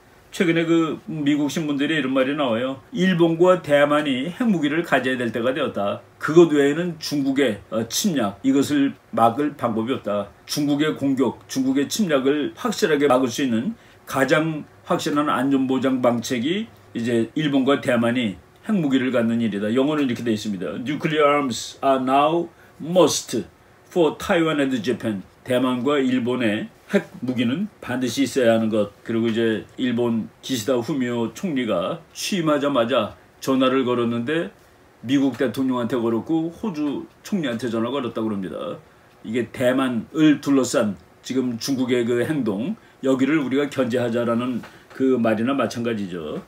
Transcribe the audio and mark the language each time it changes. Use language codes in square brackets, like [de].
[ko] 최근에 그 미국 신문들이 이런 말이 나와요. 일본과 대만이 핵무기를 가져야 될 때가 되었다. 그것 외에는 중국의 침략, 이것을 막을 방법이 없다. 중국의 공격, 중국의 침략을 확실하게 막을 수 있는 가장 확실한 안전보장 방책이 이제 일본과 대만이 핵무기를 갖는 일이다. 영어는 이렇게 돼 있습니다. [en] Nuclear arms are now must for Taiwan and Japan. [ko] 대만과 일본의 핵무기는 반드시 있어야 하는 것. 그리고 이제 일본 기시다 후미오 총리가 취임하자마자 전화를 걸었는데 미국 대통령한테 걸었고 호주 총리한테 전화 걸었다고 합니다. 이게 대만을 둘러싼 지금 중국의 그 행동 여기를 우리가 견제하자라는 그 말이나 마찬가지죠.